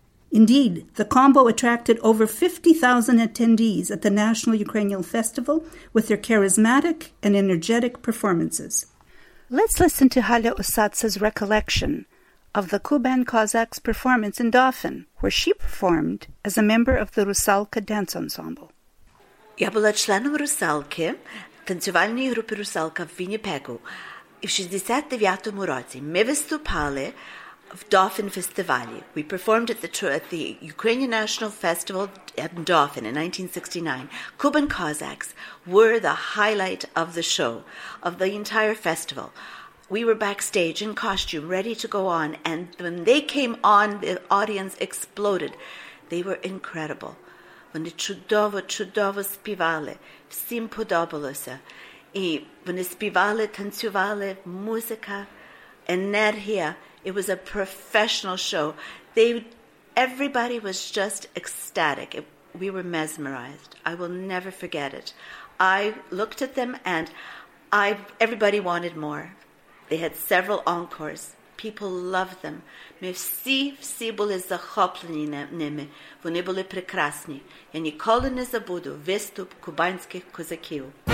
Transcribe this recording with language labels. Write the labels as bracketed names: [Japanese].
[English] Indeed, the combo attracted over 50,000 attendees at the National Ukrainian Festival with their charismatic and energetic performances. Let's listen to Halya Osatsa's recollection of the Kuban Cossacks' performance in Dauphin, where she performed as a member of the Rusalka dance ensemble. [Ukrainian] Я була членом Русалки, танцювальної групи Русалка в Вінніпегу. І в 69-му році ми виступали [English] of Dauphin Festivalі. We performed at the Ukrainian National Festival in Dauphin in 1969. Kuban Cossacks were the highlight of the show, of the entire festival. We were backstage in costume, ready to go on, and when they came on, the audience exploded. They were incredible. [Ukrainian] Вони чудово, чудово співали, всім подобалося. І вони співали, танцювали, музика, енергія. [English] It was a professional show. Everybody was just ecstatic. We were mesmerized. I will never forget it. I looked at them and everybody wanted more. They had several encores. People loved them. [Ukrainian] Ми всі, всі були захоплені ними. Вони були прекрасні. Я ніколи не забуду виступ кубанських козаків.